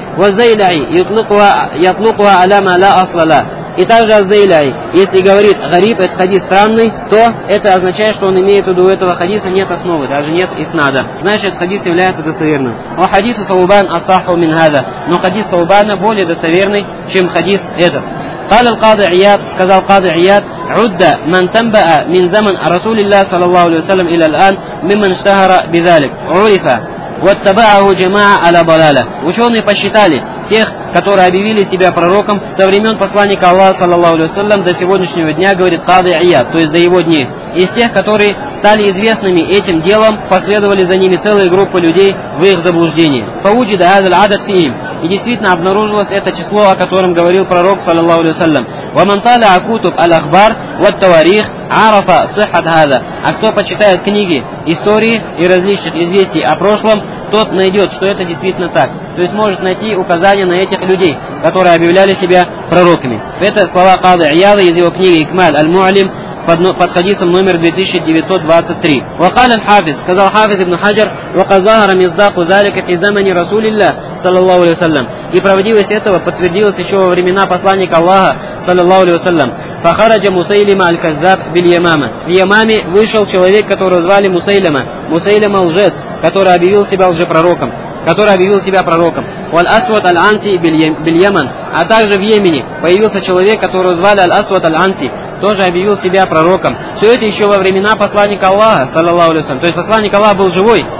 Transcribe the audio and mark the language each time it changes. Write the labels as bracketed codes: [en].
[ar] «Ваззайляй» ятлукуа аля мала аслала. [ru] И также «Аззайляй», если говорит «гариб», этот хадис странный, то это означает, что он имеет в виду у этого хадиса нет основы, даже нет иснада. Значит, этот хадис является достоверным. [ar] «Ва хадису Саубан асаху мин хаза». [ru] Но хадис Саубана более достоверный, чем хадис этот. [ar] قال القاضي عياد [ru] сказал [ar] قاضي عياد عد من تنبأ من زمن رسول الله صلى الله عليه وسلم إلى الآن ممن اشتهر بذلك عرف واتبعه جماعة على ضلالة. [ru] Ученые посчитали тех, которые объявили себя пророком со времен посланника Аллаха صلى الله عليه وسلم до сегодняшнего дня, говорит قاضي عياد, то есть до его дней. Из тех, которые стали известными этим делом, последовали за ними целая группа людей в их заблуждении. [ar] فوجد هذا العدد فيهم. [ru] И действительно обнаружилось это число, о котором говорил пророк, саллаллаху алейхи ва саллям. [ar] وَمَنْ طَالَعَ كُتُبَ الْأَخْبَارِ وَالتَّوَارِيخِ عَرَفَ صِحَّةَ هَذَا. [ru] А кто почитает книги, истории и различных известий о прошлом, тот найдет, что это действительно так. То есть может найти указания на этих людей, которые объявляли себя пророками. Это слова Кады Ияда из его книги «Икмаль аль-Муалим» под хадисом номер 2923. [ar] وقال الحافظ [ru] сказал Хафиз ибн Хаджар [ar] وقد ظهر مصداق ذلك في زمن رسول الله صلى الله عليه وسلم. [ru] И правдивость этого подтвердилась еще во времена посланника Аллаха صلى الله عليه وسلم. [ar] فخرج مسيلمة الكذاب باليمامة. [ru] В Ямаме вышел человек, которого звали Мусейлима. Мусейлима лжец, который объявил себя лжепророком. [ar] Аль-Асват аль-Анси биль-Яман. [ru] А также в Йемене появился человек, которого звали Аль-Асват аль-Анси, тоже объявил себя пророком. Все это еще во времена посланника Аллаха, саллаллаху алейхи ва саллям. То есть посланник Аллаха был живой.